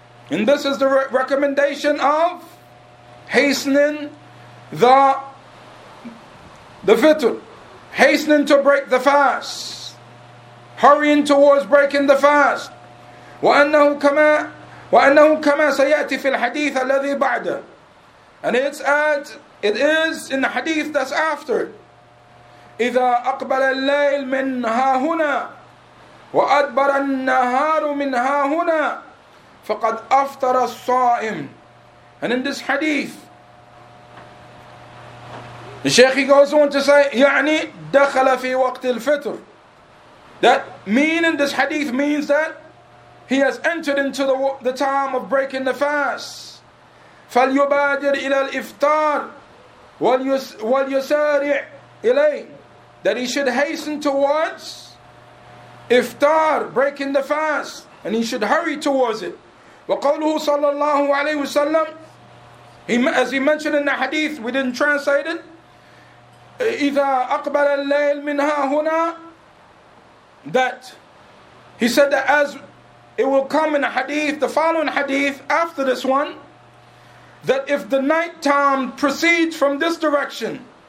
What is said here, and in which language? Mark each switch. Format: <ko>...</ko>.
<en>In this is the recommendation of hastening the fitr, hastening to break the fast, hurrying towards breaking the fast.</en> <ar>وَأَنَّهُ كَمَا وأنه كما سيأتي في الحديث الذي بعده.</ar> <en>And it's as it is in the hadith that's after.</en> <ar>إذا أقبل الليل منها هنا وأدبر النهار منها هنا فقد أفطر الصائم.</ar> <en>And in this hadith, the Sheikh goes on to say,</en> <ar>يعني دخل في وقت الفطر.</ar> <en>That meaning this hadith means that he has entered into the time of breaking the fast.</en> <ar>فليبادر إلى الإفطار وليسارع إليه.</ar> <en>That he should hasten towards iftar, breaking the fast, and he should hurry towards it.</en> <ar>وقوله صلى الله عليه وسلم,</ar> <en>as he mentioned in the hadith, we didn't translate it.</en> <ar>إذا أقبل الليل منها هنا,</ar> <en>that he said that as it will come in a hadith, the following hadith after this one, that if the night time proceeds from this direction,</en>